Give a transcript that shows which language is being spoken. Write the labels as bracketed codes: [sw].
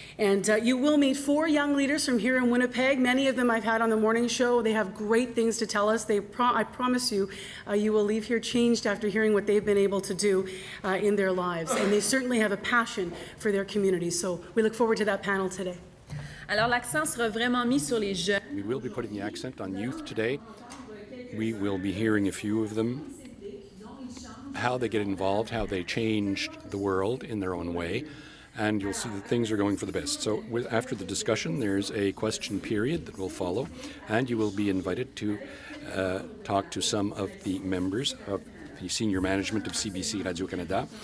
[en] And you will meet four young leaders from here in Winnipeg. Many of them I've had on the morning show. They have great things to tell us. I promise you, you will leave here changed after hearing what they've been able to do in their lives. And they certainly have a passion for their community. So we look forward to that panel today. [fr] Alors, l'accent sera vraiment mis sur les jeunes. [en] We will be putting the accent on youth today. We will be hearing a few of them, how they get involved, how they changed the world in their own way, and you'll see that things are going for the best. So after the discussion, there's a question period that will follow, and you will be invited to talk to some of the members of the senior management of CBC Radio-Canada.